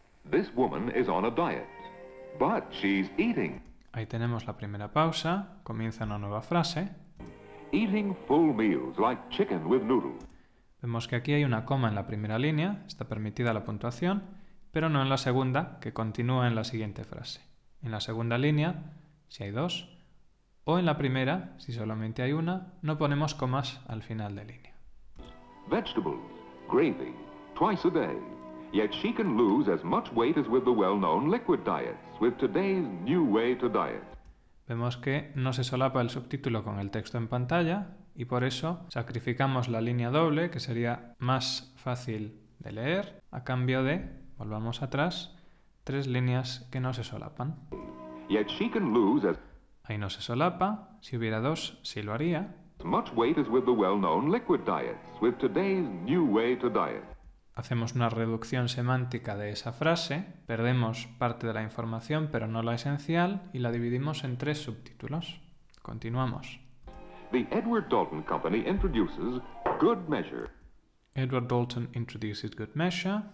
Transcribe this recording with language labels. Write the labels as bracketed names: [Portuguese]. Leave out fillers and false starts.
[English] This woman is on a diet, but she's eating. [Spanish] Ahí tenemos la primera pausa, comienza una nueva frase. [English] Eating full meals like chicken with noodles. [Spanish] Vemos que aquí hay una coma en la primera línea, está permitida la puntuación, pero no en la segunda, que continúa en la siguiente frase. en la segunda línea, si hay dos, o en la primera, si solamente hay una, no ponemos comas al final de línea. [English] Vegetables, gravy, twice a day. Yet she can lose as much weight as with the well-known liquid diets, with today's new way to diet. [Spanish] Vemos que no se solapa el subtítulo con el texto en pantalla y por eso sacrificamos la línea doble, que sería más fácil de leer, a cambio de, volvamos atrás, tres líneas que no se solapan. [English] Yet she can lose as... [Spanish] Ahí no se solapa, si hubiera dos, sí lo haría. [English] Much weight as with the well-known liquid diets, with today's new way to diet. [Spanish] Hacemos una reducción semántica de esa frase, perdemos parte de la información pero no la esencial y la dividimos en tres subtítulos. Continuamos. [English] The Edward Dalton Company introduces Good Measure. Edward Dalton introduces Good Measure.